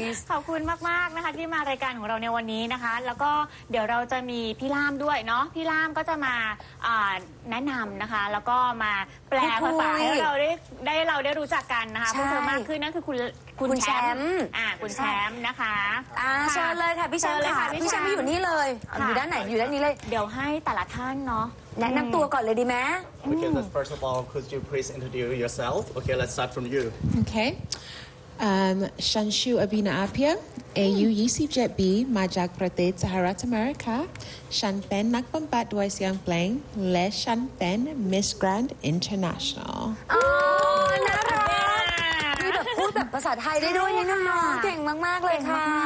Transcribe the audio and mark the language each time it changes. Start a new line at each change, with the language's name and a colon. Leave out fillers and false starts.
Thai: ขอบคุณมากมากนะคะที่มารายการของเราในวันนี้นะคะแล้วก็เดี๋ยวเราจะมีพี่ล่ามด้วยเนาะพี่ล่ามก็จะมาแนะนำนะคะแล้วก็มาแปลภาษาให้เราได้รู้จักกันนะคะเพิ่มมากขึ้นนั่นคือคุณ คุณแชมป์คุณแชมป์นะคะ เชิญเลยค่ะพี่แชมป์ค่ะพี่แชมป์อยู่นี่เลยอยู่ด้านไหนอยู่ด้านนี้เลย เดี๋ยวให้แต่ละท่านเนาะ แนะนำตัวก่อนเลยดีไหม
English: Okay, but first of all, could you please introduce yourself? Okay, let's start from you. Okay.
Thai: Shanshu Abinaapia, AU UCJB, มาจากประเทศสหรัฐอเมริกา ฉันเป็นนักบำบัดด้วยเสียงเพลง และฉันเป็น Miss Grand International. น่ารักมีแบบพูดแบบภาษาไทยได้ด้วยนะน้องเก่งมากๆเลยค่ะ